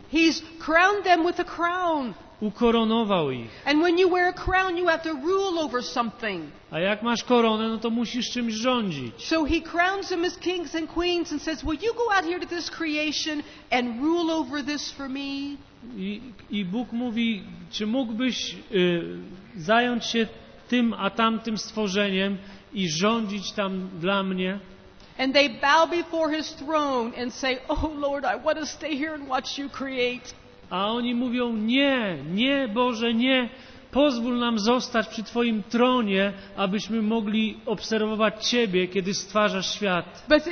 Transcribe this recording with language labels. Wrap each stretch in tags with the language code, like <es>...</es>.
<en>He's crowned them with a crown.</en> <pl>Ukoronował ich.</pl> <en>And when you wear a crown, you have to rule over something.</en> <pl>A jak masz koronę, no to musisz czymś rządzić.</pl> <en>So he crowns them as kings and queens and says, "Will you go out here to this creation and rule over this for me?"</en> <pl>I Bóg mówi, czy mógłbyś zająć się tym a tamtym stworzeniem i rządzić tam dla mnie?</pl> <en>And they bow before his throne and say, "Oh Lord, I want to stay here and watch you create."</en> <pl>A oni mówią: nie, nie, Boże, nie, pozwól nam zostać przy Twoim tronie, abyśmy mogli obserwować Ciebie, kiedy stwarzasz świat.</pl>